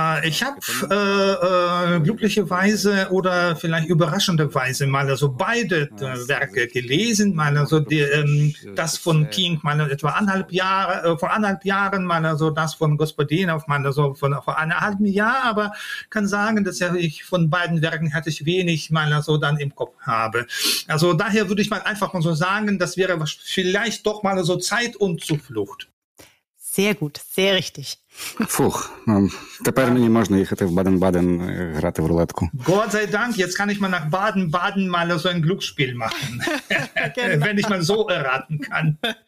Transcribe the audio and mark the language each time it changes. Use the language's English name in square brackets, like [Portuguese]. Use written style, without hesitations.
[German] Ich habe glücklicherweise oder vielleicht überraschenderweise mal also beide Werke gelesen, mal also das von King mal etwa vor anderthalb Jahren mal so, also das von Gospodinov mal so vor anderthalb Jahr, aber kann sagen, dass ich von beiden Werken hatte ich wenig mal so also dann im Kopf habe. Also daher würde ich mal einfach mal so sagen, das wäre vielleicht doch mal so Zeit und Zuflucht. Sehr gut, sehr richtig. [Ukrainian] Фух, тепер мені можна їхати в Баден-Баден грати в рулетку. [German] Gott sei Dank, jetzt kann ich mal nach Baden-Baden mal so ein Glücksspiel machen. Genau. Wenn ich mal so erraten kann.